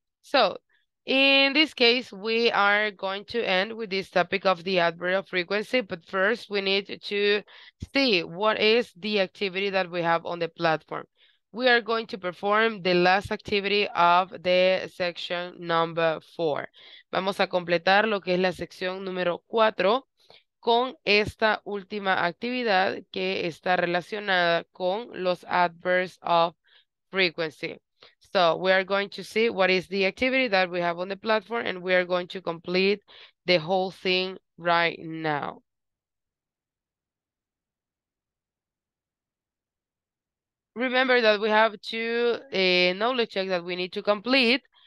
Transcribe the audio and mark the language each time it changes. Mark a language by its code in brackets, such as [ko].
[en] So, in this case, we are going to end with this topic of the adverb of frequency, but first we need to see what is the activity that we have on the platform. We are going to perform the last activity of the section number 4. [es] Vamos a completar lo que es la sección número 4 con esta última actividad que está relacionada con los adverbs of frequency. [en] So we are going to see what is the activity that we have on the platform and we are going to complete the whole thing right now. Remember that we have two knowledge checks that we need to complete.